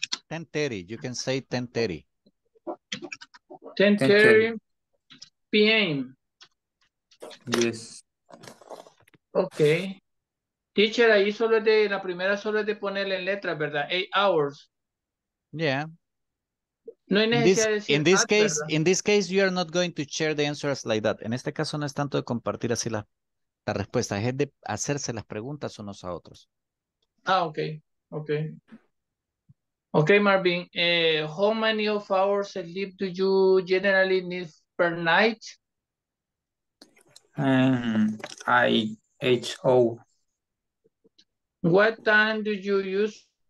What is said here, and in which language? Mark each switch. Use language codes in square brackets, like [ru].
[en] 10:30, you can say 10:30. 10:30 p.m. Yes. Okay. [es] Teacher, ahí solo es de, la primera solo es de ponerle en letras, ¿verdad? [en] 8 hours. Yeah. [es] No hay necesidad [en] in this case, [es] ¿verdad? [en] In this case, you are not going to share the answers like that. [es] En este caso no es tanto de compartir así la respuesta, es de hacerse las preguntas unos a otros. [en] Ah, okay. Okay. Okay, Marvin, how many of hours sleep do you generally need per night? IHO. What time do you use?